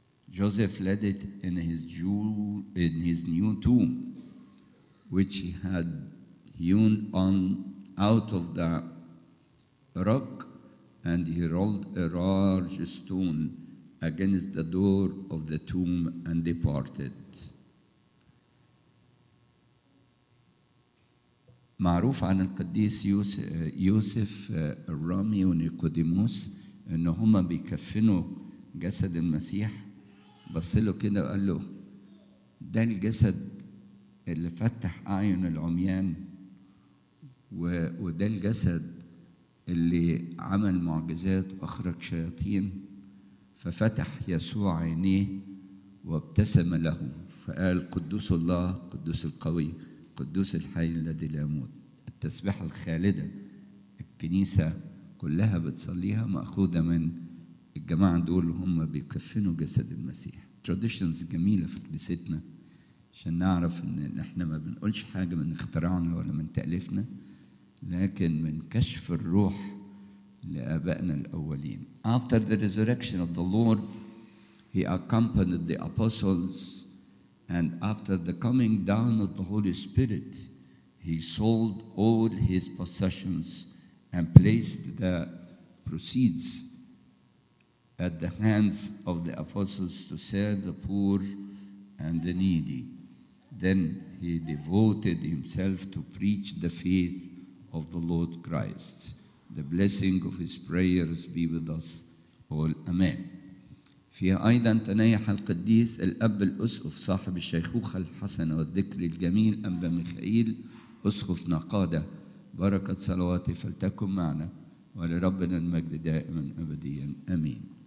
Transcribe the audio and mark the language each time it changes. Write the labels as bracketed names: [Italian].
[English] Joseph laid it in his new tomb, which he had hewn on out of the rock, and he rolled a large stone against the door of the tomb and departed. [Arabic] معروف عن القديس يوسف الرامي ونيقوديموس ان هما بيكفنوا جسد المسيح، بص له كده وقال له ده الجسد اللي فتح عين العميان، وده الجسد اللي عمل معجزات واخرج شياطين. ففتح يسوع عينيه وابتسم له فقال قدوس الله قدوس القوي قدوس الحي الذي لا يموت. التسبيحة الخالدة الكنيسة كلها بتصليها مأخوذة من الجماعة دول، هم بيكفنوا جسد المسيح. تراديشنز جميلة في كنيستنا، عشان نعرف ان احنا ما بنقولش حاجة من اختراعنا ولا من تألفنا، لكن من كشف الروح لآبائنا الأولين. [English] After the resurrection of the Lord, he accompanied the apostles And after the coming down of the Holy Spirit, he sold all his possessions and placed the proceeds at the hands of the apostles to serve the poor and the needy. Then he devoted himself to preach the faith of the Lord Christ. The blessing of his prayers be with us all. Amen. [Arabic] في أيضا تنيح القديس الأب الأسقف صاحب الشيخوخة الحسنة والذكر الجميل أنبا ميخائيل أسقف نقادة بركة صلواتي فلتكن معنا ولربنا المجد دائما أبديا أمين.